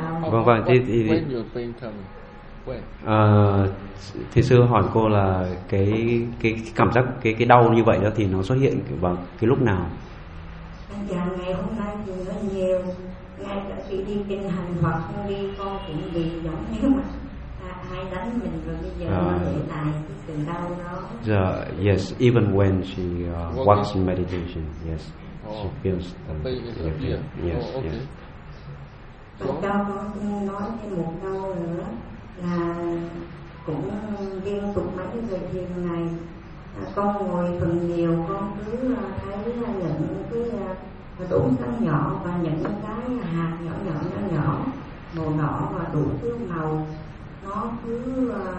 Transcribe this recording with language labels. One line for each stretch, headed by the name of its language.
Vietnamese: Vâng vâng, thì thì sư hỏi cô là cái cảm giác cái đau như vậy đó thì nó xuất hiện vào cái lúc nào? Dạ, ngày hôm nay thì nó nhiều, ngay cả khi đi kinh hành hoặc không đi con cũng bị giống như ai đánh mình, rồi bây giờ hiện tại thì đau đó.
English: Dạ, yes, even when she walks in meditation, yes. She feels the fear. Yes, okay. Yes.
Vietnamese: Con nói thêm một câu nữa là cũng liên tục mấy cái thiền này, con ngồi phần nhiều, con cứ thấy những cái tổn thương nhỏ và những cái hạt nhỏ nhỏ nhỏ nhỏ màu đỏ và đủ thứ màu, nó cứ